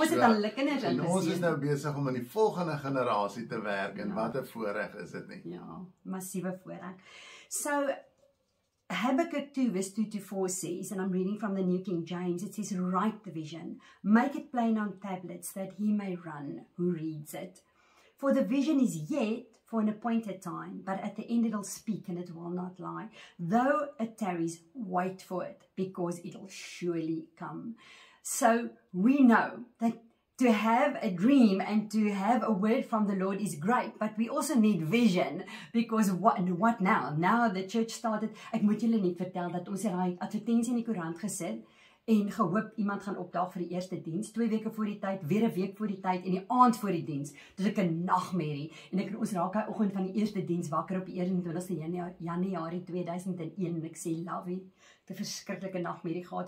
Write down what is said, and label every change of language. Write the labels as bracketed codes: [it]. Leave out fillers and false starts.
[af] Ons het al hulle kinders en ons is nou besig om in die volgende generasie te werk, en wat 'n voorreg is dit nie. Ja, massieve voorreg. [en] So, Habakkuk 2 verse 2 to 4 says, and I'm reading from the New King James, it says, write the vision, make it plain on tablets that he may run who reads it. For the vision is yet for an appointed time, but at the end it'll speak and it will not lie. Though it tarries, wait for it, because it'll surely come. So we know that to have a dream and to have a word from the Lord is great, but we also need vision, because what now? Now the church started. [af] Ek moet julle net vertel dat ons hierdie advertensie in die koerant gesit en gehoop iemand gaan opdaag vir die eerste diens, 2 weke voor die tyd, weer 'n week voor die tyd en die aand voor die diens. Dit is ek 'n nagmerrie en ek ons raak hy oggend van die eerste diens wakker op 21 Januarie 2001 en ek sê lovey, 'n verskriklike nagmerrie gehad.